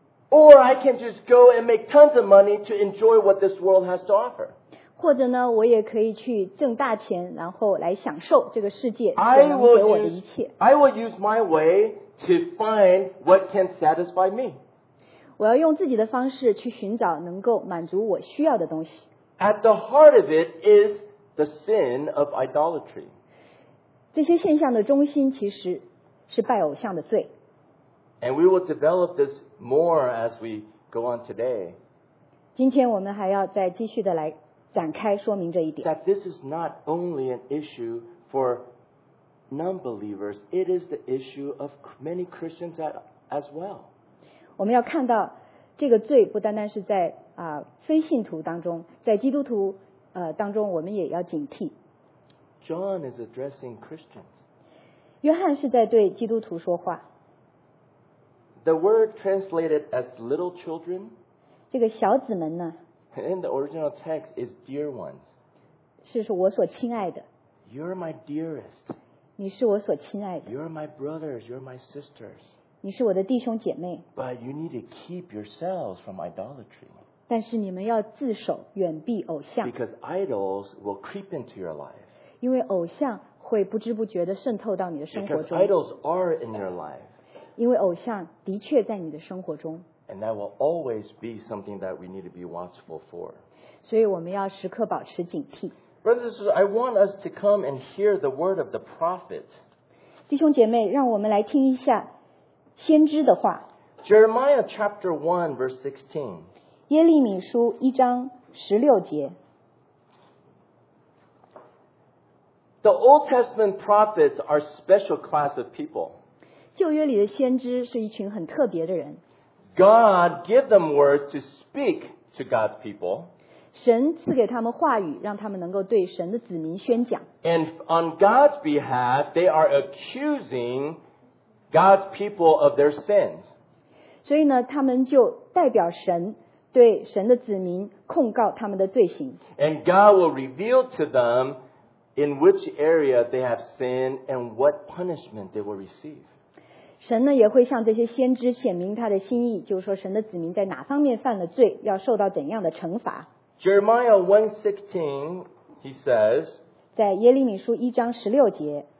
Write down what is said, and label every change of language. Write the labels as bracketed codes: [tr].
[en] Or I can just go and make tons of money to enjoy what this world has to offer. [zh] 或者呢，我也可以去挣大钱，然后来享受这个世界所能给我的一切。 [en] I will use my way. To find what can satisfy me. [zh] 我要用自己的方式去寻找能够满足我需要的东西。 [en] At the heart of it is the sin of idolatry. [zh] 这些现象的中心其实是拜偶像的罪。 [en] And we will develop this more as we go on today. [zh] 今天我们还要再继续的来展开说明这一点。 [en] That this is not only an issue for non-believers, it is the issue of many Christians as well. [zh] 我们要看到这个罪不单单是在非信徒当中，在基督徒当中，我们也要警惕。 [en] John is addressing Christians. [zh] 约翰是在对基督徒说话。 [en] The word translated as little children, [zh] 这个小子们呢 [en] in the original text is dear ones. [zh] 是我所亲爱的。 [en] You're my dearest. [zh] 你是我所亲爱的。 [en] You're my brothers, you're my sisters. [zh] 你是我的弟兄姐妹。 [en] But you need to keep yourselves from idolatry. [zh] 但是你们要自守，远避偶像。 [en] Because idols will creep into your life. [zh] 因为偶像会不知不觉地渗透到你的生活中。 [en] Because idols are in your life. [zh] 因为偶像的确在你的生活中。 [en] And that will always be something that we need to be watchful for. [zh] 所以我们要时刻保持警惕。 [en] Brothers, I want us to come and hear the word of the prophet. [zh] 弟兄姐妹，让我们来听一下先知的话。 [en] Jeremiah chapter 1 verse 16. [zh] 耶利米书一章十六节。 [en] The Old Testament prophets are a special class of people. [zh] 旧约里的先知是一群很特别的人。 [en] God gave them words to speak to God's people. [zh] 神赐给他们话语，让他们能够对神的子民宣讲。 [en] And on God's behalf, they are accusing God's people of their sins. [zh] 所以呢，他们就代表神对神的子民控告他们的罪行。 [en] And God will reveal to them in which area they have sinned and what punishment they will receive. [zh] 神呢，也会向这些先知显明他的心意，就是说神的子民在哪方面犯了罪，要受到怎样的惩罚。 [en] Jeremiah 1:16, he says, [zh] 在耶利米书一章十六节